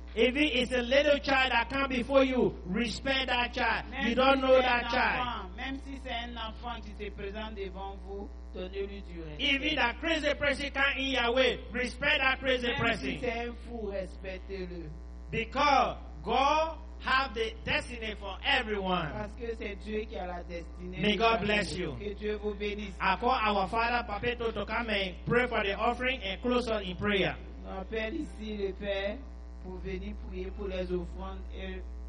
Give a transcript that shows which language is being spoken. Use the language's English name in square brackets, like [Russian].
[English] If it is a little child that comes before you, respect that child. [French] Même [English] you don't [French] si [English] know that child. [French] Même si c'est un enfant qui se présente devant vous, donnez-lui du respect. [English] Even that crazy person can't in your way, respect that crazy [French] même [English] person. [French] Si c'est un fou, respectez-le. [English] Because God have the destiny for everyone. [French] Parce que c'est Dieu qui a la destinée. [English] May God bless you. [French] Que Dieu vous bénisse. [English] I call our father Papeto to come and pray for the offering and close us in prayer. [French] On appelle ici le Père pour venir prier pour les offrandes et